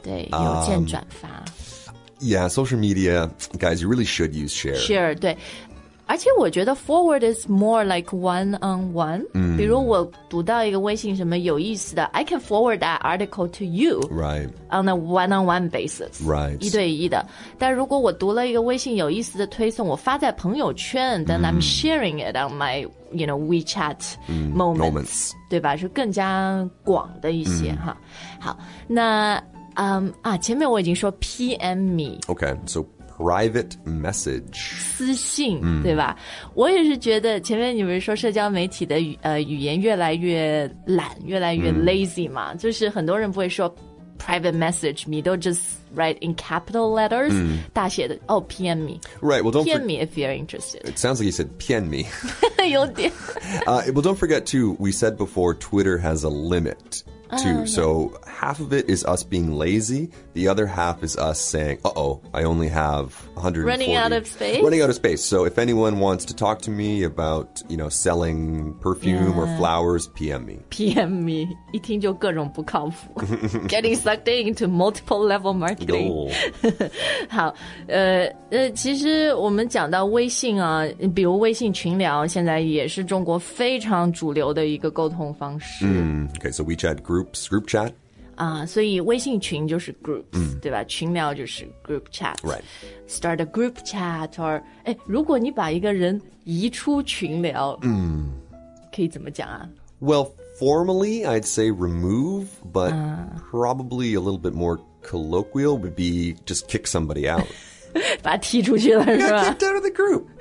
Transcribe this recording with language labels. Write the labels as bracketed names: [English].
[Chinese] 对邮件转发 [English] Yeah social media Guys you really should use share Share [Chinese] 对而且我觉得 [English] forward is more like one on one、 [Chinese] 比如我读到一个微信什么有意思的 [English] I can forward that article to you Right On a one on one basis Right [Chinese] 一对一的但如果我读了一个微信有意思的推送我发在朋友圈 [English] Then、I'm sharing it on my you know, WeChat、moments [Chinese] 对吧是更加广的一些、哈好那、前面我已经说 PM me [English] Okay soprivate message [Chinese] 私信、对吧我也是觉得前面你们说社交媒体的 语言越来越懒越来越 lazy 嘛、就是很多人不会说 private message me 都 [English] just write in capital letters、 [Chinese] 大写的哦 PM me [English] right well don't PM me if you're interested it sounds like you said PM me [Chinese] 有点 [English] well don't forget too we said before Twitter has a limit too so half of it is us being lazy the other half is us saying uh-oh I only have 140 running out of space so if anyone wants to talk to me about you know selling perfume or flowers PM me [Chinese] 一听就各种不靠谱 [English] getting sucked into multiple level marketing、 [Chinese] 好其实我们讲到微信啊比如微信群聊现在也是中国非常主流的一个沟通方式、 [English] okay so WeChat group chat [Chinese] 所以微信群就是 groups、对吧群聊就是 group chat [English] right start a group chat or [Chinese] 如果你把一个人移出群聊可以怎么讲啊 [English] well formally I'd say remove but probably a little bit more colloquial would be just kick somebody out [Chinese] 把他踢出去了是吧 [English] yeah kicked out of the group